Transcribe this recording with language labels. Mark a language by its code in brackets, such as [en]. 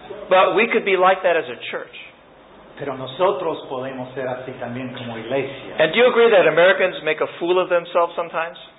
[en] But we could be like that as a church. [es] Pero nosotros podemos ser así también como iglesia. [en] And do you agree that Americans make a fool of themselves sometimes?